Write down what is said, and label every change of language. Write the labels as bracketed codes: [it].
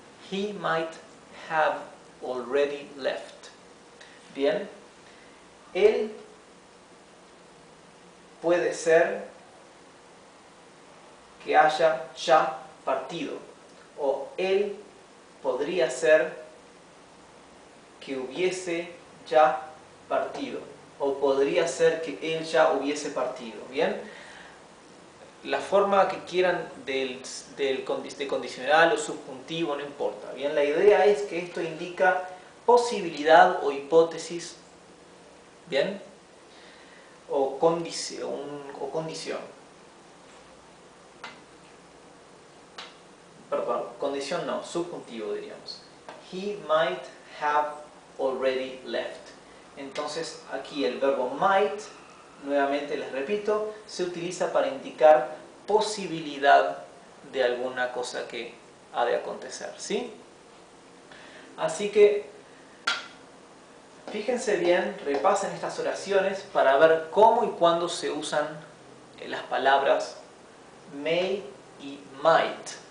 [en] He might have already left. [es] ¿Bien? Él puede ser que haya ya partido. O él podría ser que hubiese ya partido. O podría ser que él ya hubiese partido. ¿Bien? La forma que quieran de condicional o subjuntivo, no importa. ¿Bien? La idea es que esto indica posibilidad o hipótesis. ¿Bien? O condición. Perdón, condición no, subjuntivo diríamos. [en] He might have already left. [es] Entonces aquí el verbo might, nuevamente les repito, se utiliza para indicar posibilidad de alguna cosa que ha de acontecer, ¿sí? Así que fíjense bien, repasen estas oraciones para ver cómo y cuándo se usan las palabras may y might.